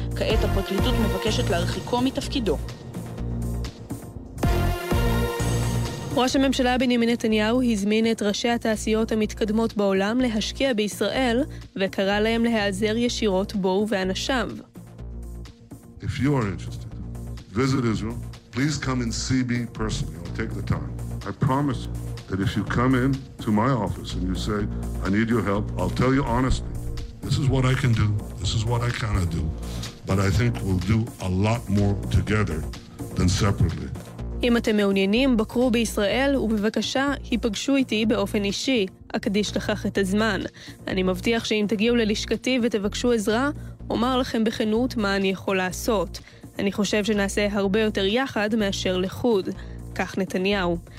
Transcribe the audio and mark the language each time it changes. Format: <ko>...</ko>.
<he>כעת הפרקליטות מבקשת להרחיקו מתפקידו. ראש הממשלה בנימין נתניהו הזמין את ראשי התעשיות המתקדמות בעולם להשקיע בישראל וקרא להם להיעזר ישירות בו ובאנשיו.</he> <en>If you are interested, visit Israel, please come and see me personally. I'll take the time. I promise that if you come in to my office and you say, I need your help, I'll tell you honestly, this is what I can do, this is what I cannot do, but I think we'll do a lot more together than separately.</en> <he>אם אתם מעוניינים, בקרו בישראל, ובבקשה, היפגשו איתי באופן אישי. אקדיש לכך את הזמן. אני מבטיח שאם תגיעו ללשכתי ותבקשו עזרה, אומר לכם בכנות מה אני יכול לעשות. אני חושב שנעשה הרבה יותר יחד מאשר לחוד. כך נתניהו.</he>